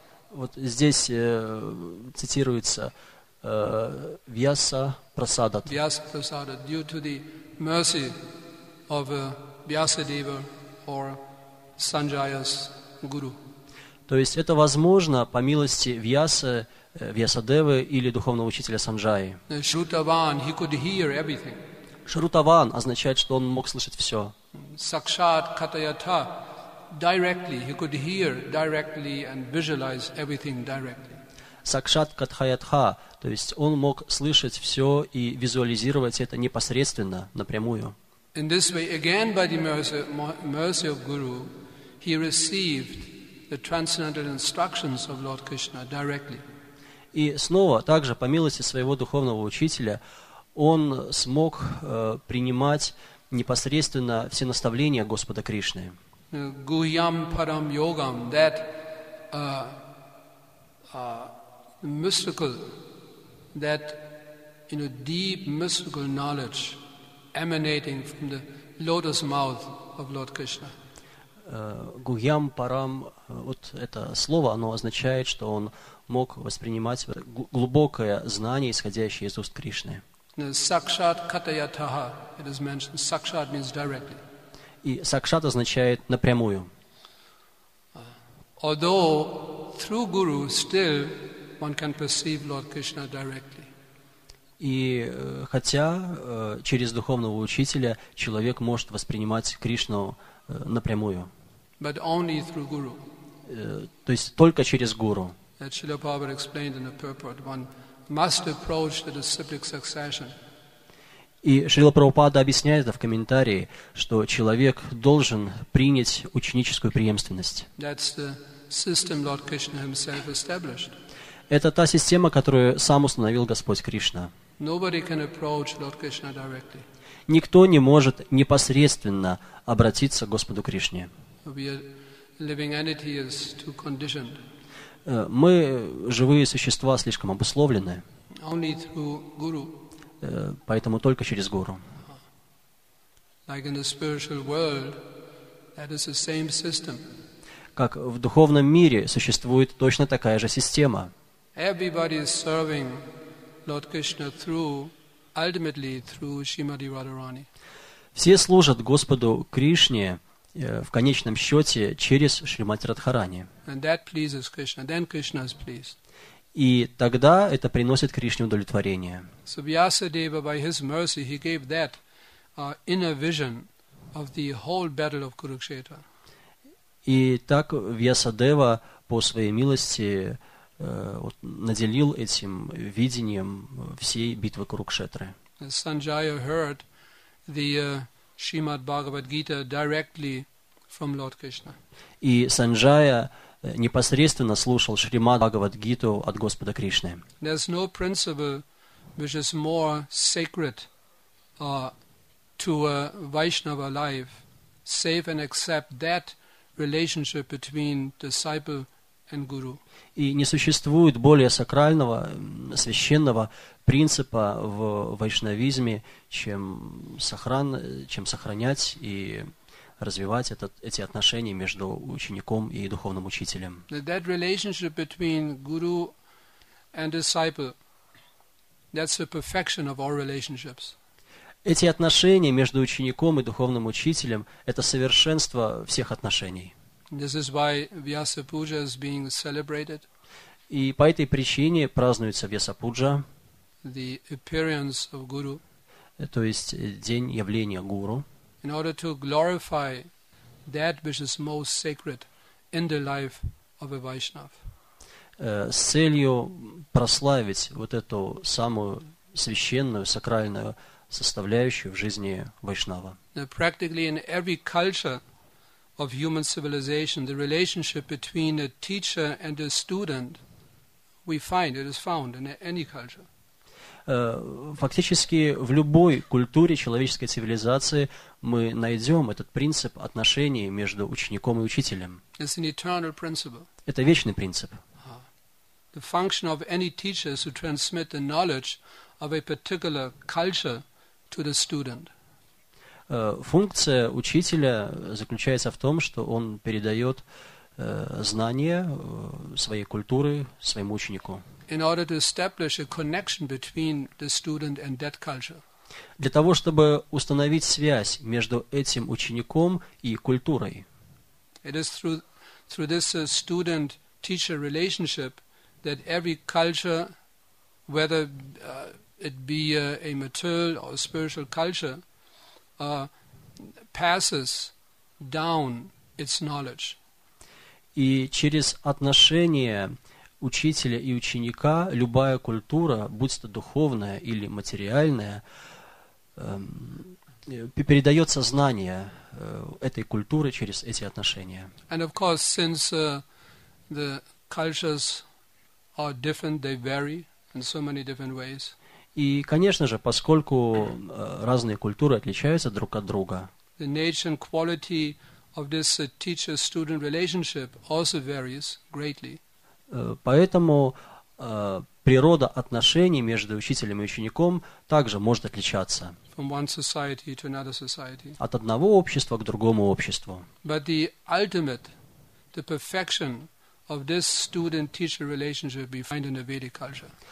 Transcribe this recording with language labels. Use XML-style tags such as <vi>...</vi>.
<ru>Вот здесь цитируется</ru> <sa>Вьяса Прасадат. Вьяса Прасадат.</sa> <en>Due to the mercy of Vyasadeva or Sanjaya's guru.</en> <ru>То есть это возможно по милости Вьясы, Вьясадевы или духовного учителя Санджаи.</ru> <en>Шрутаван, he could hear everything.</en> <ru>Шрутаван означает, что он мог слышать все.</ru> <sa>Сакшат катаята,</sa> <en>directly, he could hear directly and visualize everything directly.</en> <sa>Сакшат катхаятха,</sa> <ru>то есть он мог слышать все и визуализировать это непосредственно, напрямую.</ru> <en>In this way, again by the mercy of Guru, he received the transcendental instructions of Lord Krishna directly.</en> <ru>И снова, также по милости своего духовного учителя, он смог принимать непосредственно все наставления Господа Кришны.</ru> <sa>Гуйям парам йогам,</sa> <en>that mystical, that deep mystical knowledge emanating from the lotus mouth of Lord Krishna.</en> <sa>Гуйям парам,</sa> <ru>вот это слово, оно означает, что он мог воспринимать глубокое знание, исходящее из уст Кришны.</ru> <sa>Сакшат катаятаха,</sa> <en>it is mentioned. Сакшат means directly.</en> <ru>И сакшат означает напрямую.</ru> <en>Although through Guru, still one can perceive Lord Krishna directly.</en> <ru>И хотя через духовного учителя человек может воспринимать Кришну напрямую.</ru> <en>But only through Guru.</en> <ru>То есть только через Гуру.</ru> <en>As Srila Prabhupada explained in the purport, one must approach the disciplic succession.</en> <ru>И Шрила Прабхупада объясняет это в комментарии, что человек должен принять ученическую преемственность.</ru> <en>That's the system Lord Krishna himself established.</en> <ru>Это та система, которую сам установил Господь Кришна.</ru> <en>Nobody can approach Lord Krishna directly.</en> <ru>Никто не может непосредственно обратиться к Господу Кришне.</ru> <en>We are living entities too conditioned.</en> <ru>Мы, живые существа, слишком обусловлены.</ru> <en>Only through Guru.</en> <ru>Поэтому только через Гуру.</ru> <en>Like in the spiritual world, that is the same system.</en> <ru>Как в духовном мире существует точно такая же система.</ru> <en>Everybody is serving Lord Krishna through, ultimately through Srimati Radharani.</en> <ru>Все служат Господу Кришне в конечном счете через Шримати Радхарани.</ru> <en>And that pleases Krishna. Then Krishna is pleased.</en> <ru>И тогда это приносит Кришне удовлетворение.</ru> <en>So Vyasadeva, by his mercy, he gave that inner vision of the whole battle of Kurukshetra.</en> <ru>И так Вьясадева по своей милости наделил этим видением всей битвы Курукшетры.</ru> <en>Sanjaya heard the Shrimad Bhagavad Gita directly from Lord Krishna.</en> <ru>И Санджая непосредственно слушал Шримад Бхагавад Гиту от Господа Кришны.</ru> <en>There's no principle which is more sacred to a Vaishnava life, save and except that relationship between disciple and guru.</en> <ru>И не существует более сакрального, священного принципа в вайшнавизме, чем сохранять и развивать эти отношения между учеником и духовным учителем.</ru> <en>That relationship between guru and disciple, that's the perfection of all relationships.</en> <ru>Эти отношения между учеником и духовным учителем – это совершенство всех отношений.</ru> <en>This is why Vyasa Puja is being celebrated.</en> <ru>И по этой причине празднуется Вьяса Пуджа,</ru> <en>the appearance of Guru,</en> <ru>то есть день явления Гуру.</ru> <en>in order to glorify that which is most sacred in the life of a Vaishnav.</en> <ru>С целью прославить вот эту самую священную, сакральную составляющую в жизни Вайшнава.</ru> <en>Practically in every culture of human civilization, the relationship between a teacher and a student, we find, it is found in any culture.</en> <ru>Фактически в любой культуре человеческой цивилизации мы найдем этот принцип отношений между учеником и учителем.</ru> <en>It's an eternal principle.</en> <ru>Это вечный принцип.</ru> <en>The function of any teacher is to transmit the knowledge of a particular culture to the student.</en> <ru>Функция учителя заключается в том, что он передает знания своей культуры своему ученику.</ru> <en>In order to establish a connection between the student and that culture.</en> <ru>Для того, чтобы установить связь между этим учеником и культурой.</ru> <en>It is through this student-teacher relationship that every culture, whether it be a material or a spiritual culture, passes down its knowledge.</en> <ru>И через отношения учителя и ученика любая культура, будь то духовная или материальная, передается знание этой культуры через эти отношения.</ru> <en>And of course, since the cultures are different, they vary in so many different ways.</en> <ru>И, конечно же, поскольку разные культуры отличаются друг от друга.</ru> <en>The nature and quality of this teacher-student relationship also varies greatly.</en> <ru>Поэтому природа отношений между учителем и учеником также может отличаться.</ru> <en>From one society to another society.</en> <ru>От одного общества к другому обществу.</ru> <en>But the ultimate, the perfection of this student-teacher relationship we find in the Vedic culture.</en>